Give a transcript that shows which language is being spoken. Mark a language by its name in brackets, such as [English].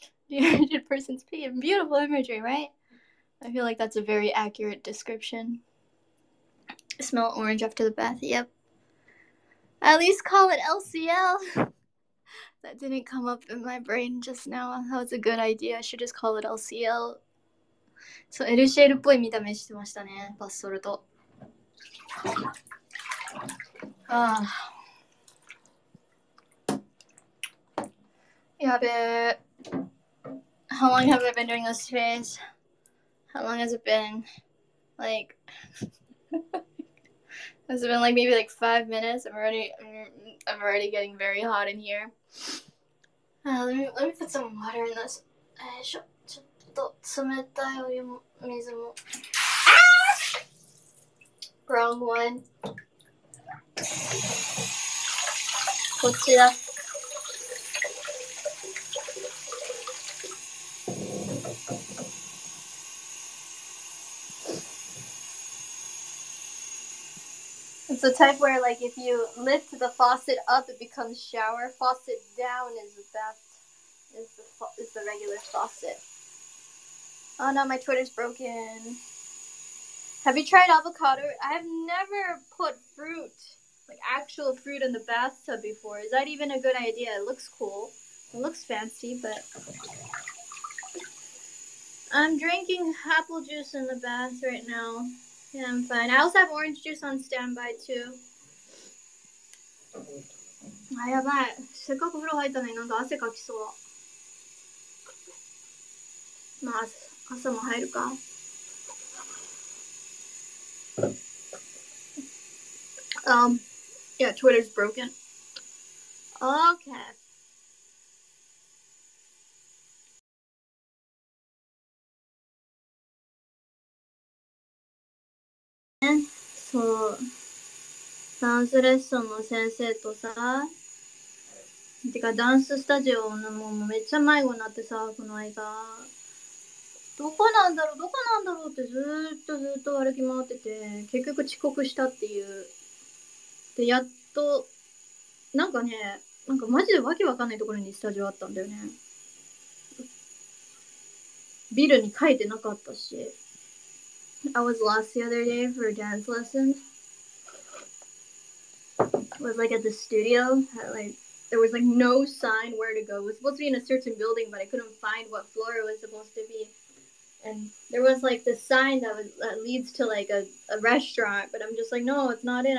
[English] Dehydrated person's pee and beautiful imagery, right? I feel like that's a very accurate description. Smell orange after the bath, yep. At least call it LCL. That didn't come up in my brain just now. That was a good idea. I should just call it LCL. [Japanese] So, LCL っぽい見た目してましたね、バスソルト。やべー。 [English] How long have I been doing this phase? How long has it been? Like, has it been like maybe like 5 minutes? I'm already getting very hot in here. Let me put some water in this. [Japanese] ちょっと冷たいお湯も水も。 [English] Wrong one. [Japanese] こっちだ。 [English] It's the type where, like, if you lift the faucet up, it becomes shower. Faucet down is the best. Is the regular faucet. Oh no, my Twitter's broken. Have you tried avocado? I have never put fruit, like actual fruit, in the bathtub before. Is that even a good idea? It looks cool. It looks fancy, but I'm drinking apple juice in the bath right now. Yeah, I'm fine. I also have orange juice on standby, too. [Japanese] あ、やばい。せっかく風呂入ったのになんか汗かきそう。まあ、朝も入るか。 [English] Yeah, Twitter's broken. Okay. [Japanese] そうダンスレッスンの先生とさ、てかダンススタジオのもめっちゃ迷子になってさ、この間どこなんだろうどこなんだろうってずっとずっと歩き回ってて、結局遅刻したっていう。でやっとなんかね、なんかマジでわけわかんないところにスタジオあったんだよね。ビルに書いてなかったし。 [English] I was lost the other day for dance lessons. It was like at the studio. There was like no sign where to go. It was supposed to be in a certain building, but I couldn't find what floor it was supposed to be. And there was like the sign that leads to like a restaurant, but I'm just like, no, it's not it.